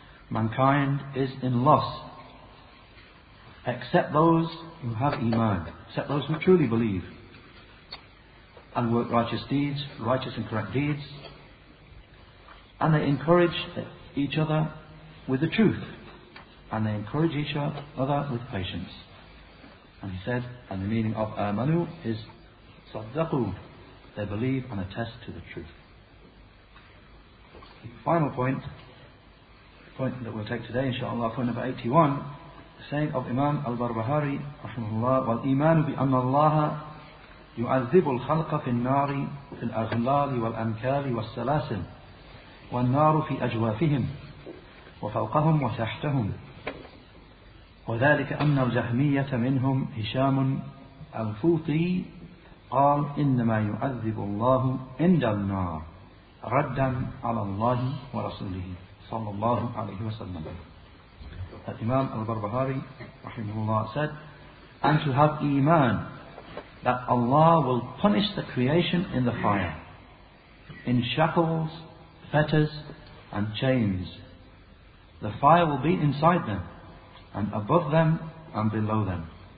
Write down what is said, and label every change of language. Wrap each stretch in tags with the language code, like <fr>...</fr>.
<en>mankind is in loss, except those who have iman, except those who truly believe, and work righteous deeds, righteous and correct deeds, and they encourage each other with the truth, and they encourage each other with patience. And he said, and the meaning of amanu is saddaqu, they believe and attest to the truth. Final point, the point that we'll take today, inshaAllah, point number 81, the saying of Imam al-Barbahari, rahimahullah,</en> <ar>وَالْإِيمَانُ بِأَنَّ اللَّهَ يُعَذِّبُ الْخَلْقَ فِي النَّارِ فِي الْأَغْلَالِ وَالْأَمْكَالِ وَالسَّلَاسِلِ وَالنَّارُ فِي أَجْوَافِهِمْ وَفَوْقَهُمْ وَتَحْتَهُمْ وَذَلِكَ أَنَّ الْجَهْمِيَّةَ مِنْهُمْ هِشَامٌ الْفُوطِي قال إنما يعذب الله عند النار ردا على الله ورسوله صلى الله عليه وسلم.</ar> <en>Imam al-Barbahari rahimahullah said, and to have iman that Allah will punish the creation in the fire in shackles, fetters and chains. The fire will be inside them and above them and below them.</en>